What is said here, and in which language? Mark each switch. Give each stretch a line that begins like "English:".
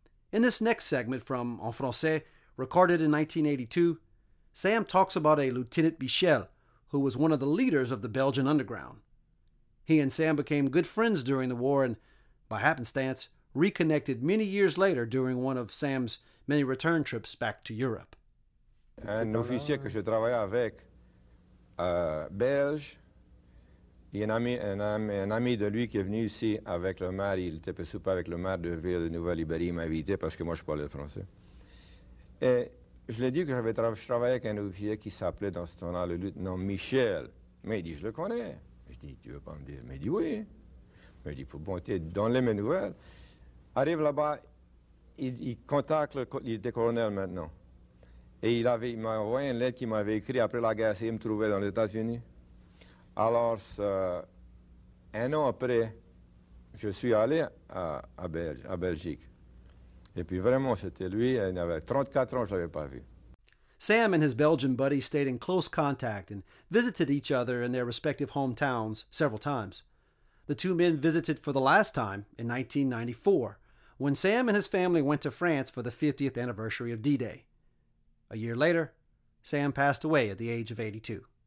English: In this next segment from En Français, recorded in 1982, Sam talks about a Lieutenant Michel, who was one of the leaders of the Belgian underground. He and Sam became good friends during the war and, by happenstance, reconnected many years later during one of Sam's many return trips back to Europe.
French: Un officier que je travaillais avec, belge, un ami de lui qui est venu ici avec le maire, il était soupé avec le maire de ville de Nouvelle-Ibérie, il m'a invité parce que moi je parlais français. Et je lui ai dit que je travaillais avec un officier qui s'appelait dans ce temps-là le lieutenant Michel. Mais il dit, je le connais. Je dis, tu veux pas me dire? Mais il dit, oui. Mais il dit, pour bonté, donne-les mes nouvelles. Arrive là-bas, il contacte, il était colonel maintenant. Et il m'a envoyé une lettre qu'il m'avait écrite après la guerre, s'il me trouvait dans les États-Unis. Alors, un an après, je suis allé à Belgique. Et puis vraiment, c'était lui, il avait 34 ans, je ne l'avais pas vu.
English: Sam and his Belgian buddy stayed in close contact and visited each other in their respective hometowns several times. The two men visited for the last time in 1994, when Sam and his family went to France for the 50th anniversary of D-Day. A year later, Sam passed away at the age of 82.